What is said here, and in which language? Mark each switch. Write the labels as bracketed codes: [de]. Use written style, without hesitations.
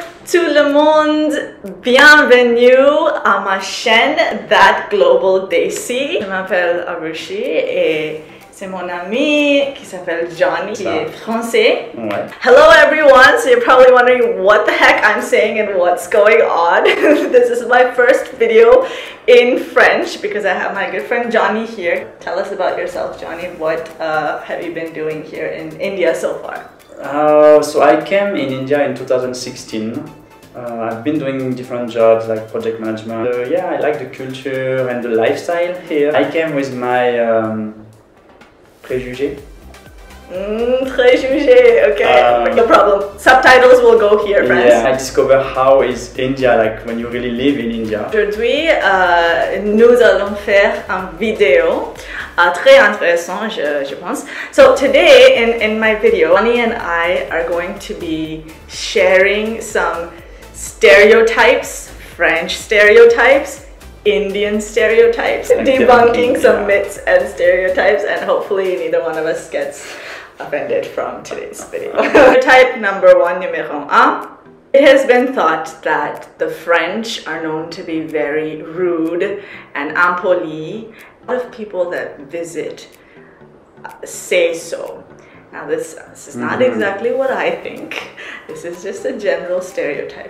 [fr] Tout le monde, bienvenue à ma chaîne That Global Desi. Je m'appelle Arushi et c'est mon ami qui s'appelle Johnny, qui est français. Ouais. [en] Hello everyone, so you're probably wondering what the heck I'm saying and what's going on. This is my first video in French because I have my good friend Johnny here. Tell us about yourself, Johnny. What have you been doing here in India so far? So I came in India in 2016. I've been doing different jobs like project management. Yeah, I like the culture and the lifestyle here. I came with my préjugé. Préjugé, okay, no problem. Subtitles will go here, friends. Yeah, I discover how is India like when you really live in India. [fr] Aujourd'hui, nous allons faire un vidéo. Très intéressant, je pense. [en] So today, in my video, Johnny and I are going to be sharing some stereotypes, French stereotypes, Indian stereotypes, debunking some myths and stereotypes, and hopefully neither one of us gets offended from today's video. Stereotype number one, [fr] numéro un. [en] It has been thought that the French are known to be very rude and impoli. A lot of people that visit say so. Now this is not exactly what I think. This is just a general stereotype.